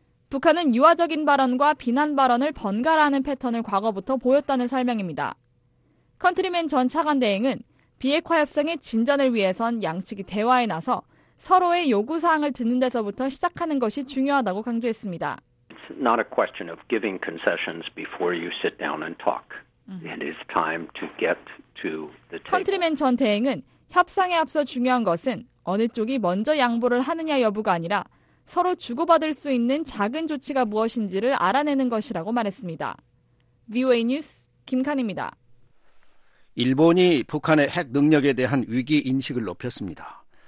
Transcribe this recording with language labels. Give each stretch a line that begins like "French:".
Korean: 북한은 유화적인 발언과 비난 발언을 번갈아하는 패턴을 과거부터 보였다는 설명입니다. 컨트리맨 전 차관 대행은 비핵화 협상의 진전을 위해선 양측이 대화에 나서 서로의 요구사항을 듣는 데서부터 시작하는 것이 중요하다고 강조했습니다.
English: It's not a question of giving concessions before you sit down and talk. It is time to get to the table.
Korean: 컨트리맨 전 대행은 협상에 앞서 중요한 것은 어느 쪽이 먼저 양보를 하느냐 여부가 아니라 서로 주고받을 수 있는 작은 조치가 무엇인지를 알아내는 것이라고 말했습니다. VOA 뉴스 김칸입니다. 일본이 북한의 핵 능력에 대한 위기 인식을 높였습니다.